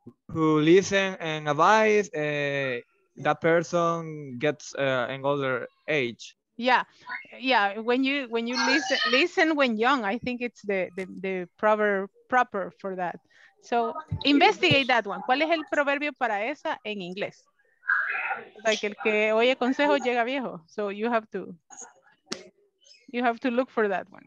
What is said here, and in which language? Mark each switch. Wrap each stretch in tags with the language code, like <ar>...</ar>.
<en>Who listen and advise, that person gets an older age. Yeah. When you listen when young, I think it's the proper for that. So investigate that one.</en> <es>¿Cuál es el proverbio para esa en inglés? Like el que oye consejo llega viejo.</es> <en>So you have to look for that one.</en>